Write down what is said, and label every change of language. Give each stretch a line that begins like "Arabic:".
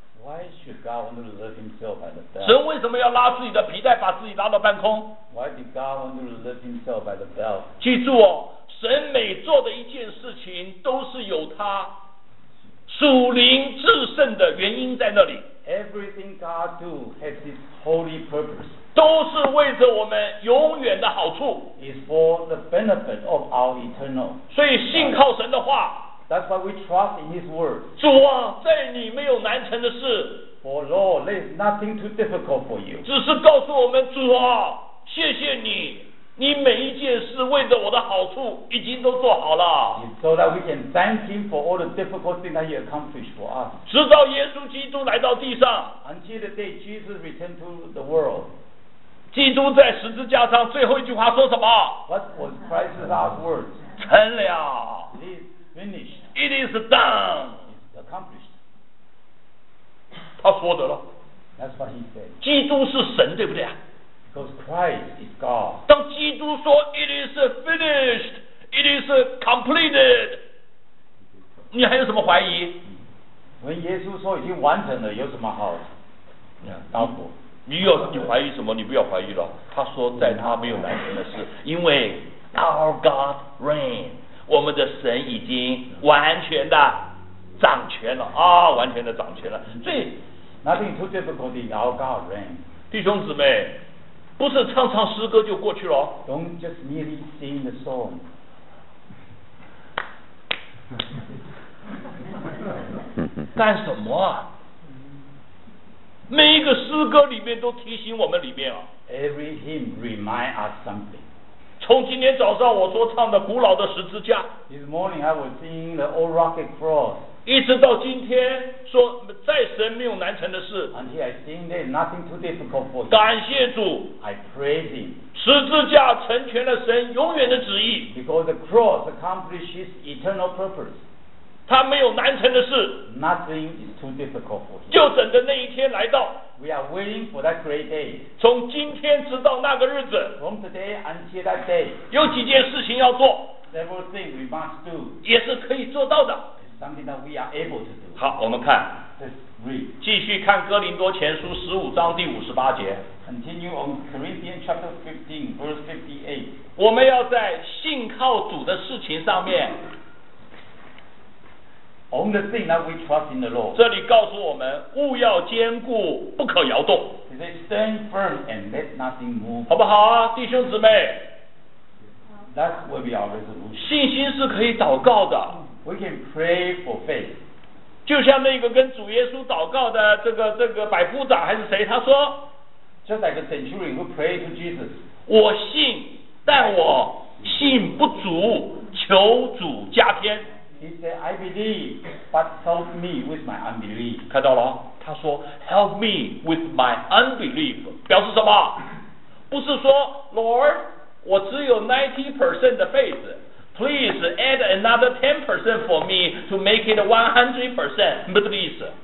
English: Why should God want to lift himself by the belt?
Chinese: 神为什么要拉自己的皮带把自己拉到半空？
English: Why did God want to lift himself by the belt?
Chinese: 记住哦，神每做的一件事情都是有他属灵至圣的原因在那里。
English: Everything God do has his holy purpose.
Chinese: 都是为着我们永远的好处。
English: It's for the benefit of our eternal.
Chinese: 所以信靠神的话，
English: That's why we trust in His word.
Chinese: 主啊，在你没有难成的事。
English: For Lord, there's nothing too difficult for you.
Chinese: 只是告诉我们，主啊，谢谢你，你每一件事为着我的好处已经都做好了。
English: So that we can thank Him for all the difficult things that He accomplished for us.
Chinese: 直到耶稣基督来到地上。
English: Until the day Jesus returned to the world.
Chinese: 基督在十字架上最后一句话说什么？
English: What was Christ's last words?
Chinese: 成了。
English: Finished. It is done. It's accomplished.
Chinese: 他说的了。
English: That's what he said.
Chinese: 基督是神，对不对啊？
English: Because Christ is God.
Chinese: 当基督说
English: "It is finished," "It is completed,"
Chinese: 你还有什么怀疑？问耶稣说已经完成了，有什么好？当苦。你有你怀疑什么？你不要怀疑了。他说在他没有完成的事，因为
English: Our God reigns.
Chinese: 我们的神已经完全的掌权了啊、哦，完全的掌权了。所以
English: ，nothing too difficult in our God reign。
Chinese: 弟兄姊妹，不是唱唱诗歌就过去了。
English: Don't just merely sing the song。
Chinese: 干什么啊？每一个诗歌里面都提醒我们里面啊。
English: Every hymn remind us something。
Chinese: 从今天早上我所唱的古老的十字架
English: This morning I was singing the old rocket cross
Chinese: 一直到今天说在神没有难成的事
English: Until I sing there nothing too difficult for you
Chinese: 感谢主
English: I praise him
Chinese: 十字架成全了神永远的旨意
English: Because the cross accomplishes eternal purpose
Chinese: 他没有难成的事
English: Nothing is too difficult for you
Chinese: 就等着那一天来到
English: We are waiting for that great day.
Chinese: 从今天直到那个日子
English: From today until that day.
Chinese: 有几件事情要做
English: Several things we must do.
Chinese: 也是可以做到的
English: It's something that we are able to do.
Chinese: 好，我们看
English: Let's read.
Chinese: 继续看哥林多前书十五章第五十八节
English: Continue on Corinthians chapter 15, verse 58.
Chinese: 我们要在信靠主的事情上面
English: On the thing that we trust in the Lord.
Chinese: 这里告诉我们务要坚固不可摇动
English: He said, Stand firm and let nothing move.
Chinese: 好不好啊弟兄姊妹
English: That will be our resolution.
Chinese: 信心是可以祷告的
English: We can pray for faith.
Chinese: 就像那个跟主耶稣祷告的这个百夫长还是谁他说
English: Just like a centurion who prayed to Jesus.
Chinese: 我信但我信不足求主加添
English: He said, I believe, but help me with my unbelief.
Chinese: 看到了，他说
English: help me with my unbelief.
Chinese: 表示什么？不是说 Lord, 我只有 90% 的 faith.
English: Please add another 10% for me to make it 100%, please.